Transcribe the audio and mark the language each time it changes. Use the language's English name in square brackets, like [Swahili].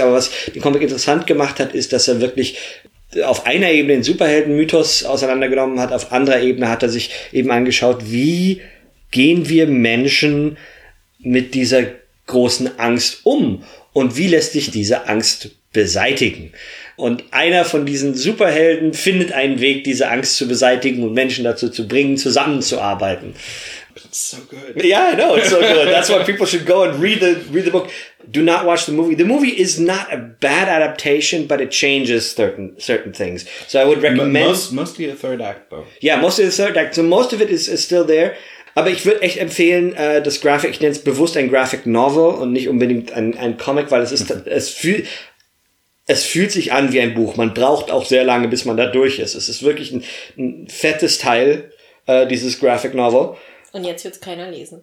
[German] Aber was den Comic interessant gemacht hat, ist, dass er wirklich auf einer Ebene den Superheldenmythos auseinandergenommen hat, auf anderer Ebene hat er sich eben angeschaut, wie gehen wir Menschen mit dieser großen Angst um und wie lässt sich diese Angst beseitigen. Und einer von diesen Superhelden findet einen Weg, diese Angst zu beseitigen und Menschen dazu zu bringen, zusammenzuarbeiten. [English] It's so good. Yeah, I know, it's so good. That's why people should go and read the book. Do not watch the movie. The movie is not a bad adaptation, but it changes certain things. So I would recommend... Mostly the third act, though. Yeah, mostly the third act. So most of it is still there. [German] Aber ich würde echt empfehlen, das Graphic, ich nenne es bewusst ein Graphic Novel und nicht unbedingt ein Comic, weil es ist, es fühlt sich an wie ein Buch. Man braucht auch sehr lange, bis man da durch ist. Es ist wirklich ein fettes Teil, dieses Graphic Novel. Und jetzt wird es keiner lesen.